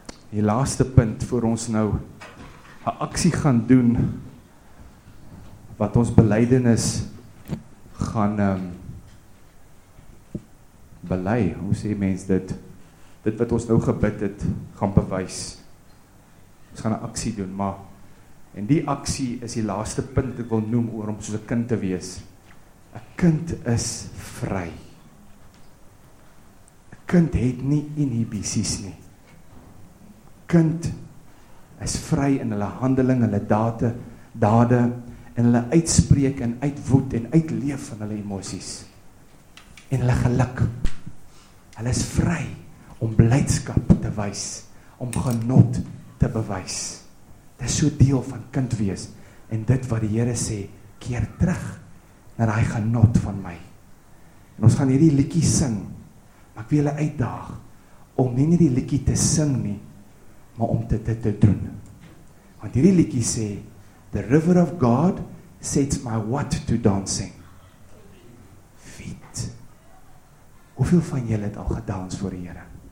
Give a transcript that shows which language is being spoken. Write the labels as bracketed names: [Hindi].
[Afrikaans] Die laaste punt voor ons nou 'n aksie gaan doen wat ons belydenis gaan bely. Hoe sê mens dit? Dit wat ons nou gebid het, gaan bewys. Ons gaan 'n aksie doen, maar en die aksie is die laaste punt ek wil noem oor om soos 'n kind te wees. Een kind is vry. Een kind het nie inhibisies nie. Kind is vry in hulle handeling, hulle dade, en hulle uitspreek en uitwoed en uitleef van hulle emoties. En hulle geluk. Hulle is vry om blydskap te wys, om genot te bewys. Dit is so deel van kind wees. En dit wat die Here sê, keer terug. Naar hy genot van my. En ons gaan hierdie liedjie sing. Maar ek wil julle uitdaag. Om nie hierdie liedjie te sing nie. Maar om dit te doen. Want hierdie liedjie sê. [English] The river of God sets my what to dancing. Feet. [Afrikaans] Hoeveel van julle het al gedans voor die Here?